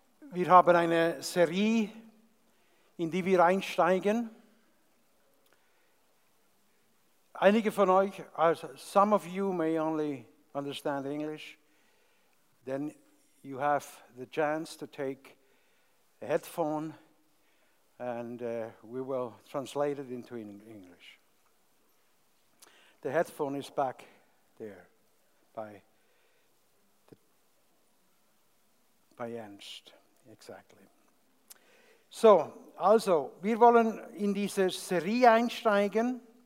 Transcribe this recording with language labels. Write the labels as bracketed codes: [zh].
[de] Wir haben eine Serie, in die wir einsteigen. Einige von euch, also [en] some of you may only understand English, then you have the chance to take a headphone and we will translate it into English. The headphone is back there by Ernst. Exactly. [de] So, also, wir wollen in diese Serie einsteigen.